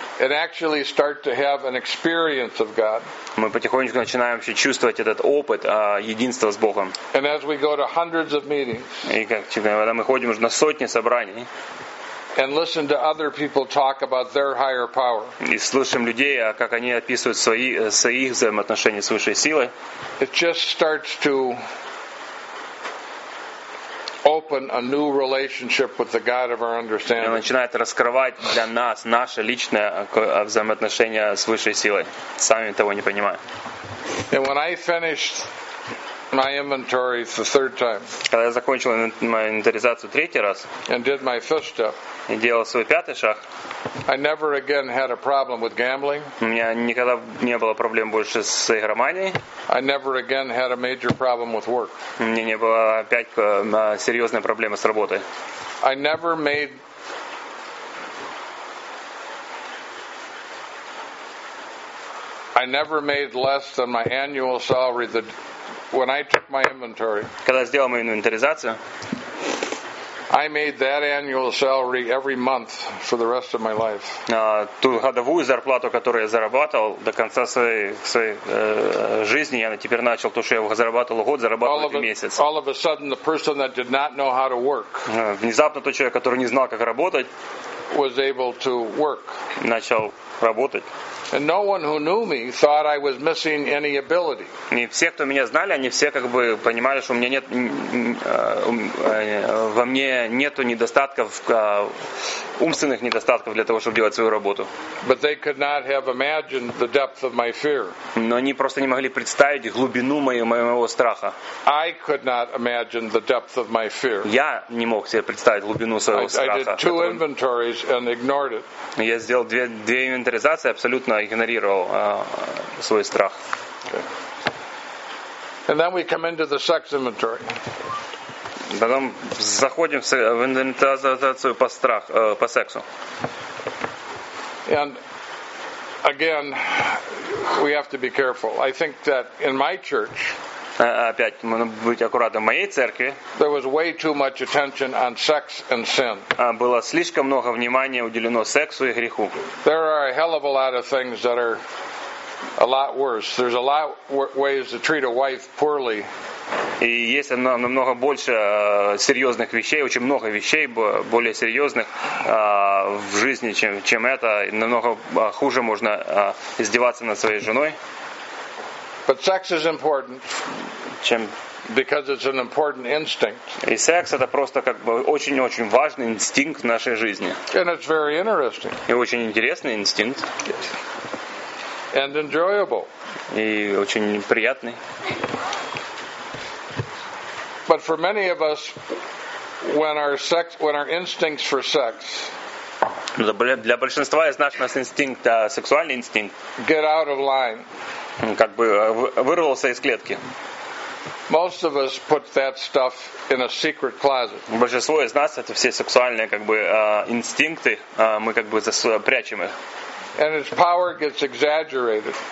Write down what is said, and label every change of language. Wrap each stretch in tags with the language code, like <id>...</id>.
<en>and actually start to have an experience of God.</en> <ru>Мы потихонечку начинаем вообще чувствовать этот опыт единства с Богом.</ru> <en>And as we go to hundreds of meetings,</en> <ru>и как когда мы ходим уже на сотни собраний,</ru> <en>and listen to other people talk about their higher power.</en> <ru>И слушаем людей, как они описывают свои взаимоотношения с высшей силой.</ru> <en>It just starts to open a new relationship with the God of our understanding.</en> <ru>Он начинает раскрывать для нас наше личное взаимоотношение с высшей силой, сами того не понимая.</ru> <en>And when I finished my inventory the third time.</en> <ru>Когда я закончил мою инвентаризацию третий раз.</ru> <en>And did my fifth step.</en> <ru>И делал свой пятый шаг.</ru> <en>I never again had a problem with gambling.</en> <ru>У меня никогда не было проблем больше с игроманией.</ru> <en>I never again had a major problem with work.</en> <ru>У меня не было опять серьезные проблемы с работой.</ru> <en>I never made less than my annual salary the when I took my inventory.</en> <ru>Когда я сделал мою инвентаризацию,</ru> <en>I made that annual salary every month for the rest of my life.</en> <ru>Ту годовую зарплату, которую я зарабатывал до конца своей жизни, я теперь начал то, что я зарабатывал год, зарабатывал в месяц.</ru> <en>All of a sudden, the person that did not know how to work.</en> <ru>Внезапно тот человек, который не знал, как работать,</ru> <en>was able to work.</en> <ru>Начал работать.</ru> <en>And no one who knew me thought I was missing any ability.</en> <ru>Не все, кто меня знали, они все как бы понимали, что у меня нет во мне нету недостатков умственных недостатков для того, чтобы делать свою работу.</ru> <en>But they could not have imagined the depth of my fear.</en> <ru>Но они просто не могли представить глубину моего страха.</ru> <en>I could not imagine the depth of my fear.</en> <ru>Я не мог себе представить глубину своего страха.</ru> <en>I did two inventories and ignored it.</en> <ru>Я сделал две инвентаризации абсолютно игнорировал свой страх.</ru> <en>Okay. And then we come into the sex inventory.</en> <ru>Потом заходим в инвентаризацию по сексу.</ru> <en>And again, we have to be careful. I think that in my church.</en> <ru>Опять, нужно быть аккуратным. В моей церкви</ru> <en>there was way too much attention on sex and sin.</en> <ru>Было слишком много внимания уделено сексу и греху.</ru> <en>There are a hell of a lot of things that are a lot worse. There's a lot ways to treat a wife poorly.</en> <ru>И есть намного больше серьезных вещей, очень много вещей более серьезных в жизни, чем это. И намного хуже можно издеваться над своей женой.</ru> <en>But sex is important, because it's an important instinct.</en> <ru>И секс это просто как бы очень-очень важный инстинкт в нашей жизни.</ru> <en>And it's very interesting.</en> <ru>И очень интересный инстинкт.</ru> <en>And enjoyable.</en> <ru>И очень приятный.</ru> <en>But for many of us, when our instincts for sex.</en> <ru>Для большинства из нас инстинкт, сексуальный инстинкт.</ru> <en>Get out of line.</en> <ru>Как бы вырвался из клетки.</ru> <en>Most of us put that stuff in a secret closet.</en> <ru>Большинство из нас это все сексуальные как бы инстинкты, мы как бы прячем их.</ru> <en>And its power gets exaggerated.</en>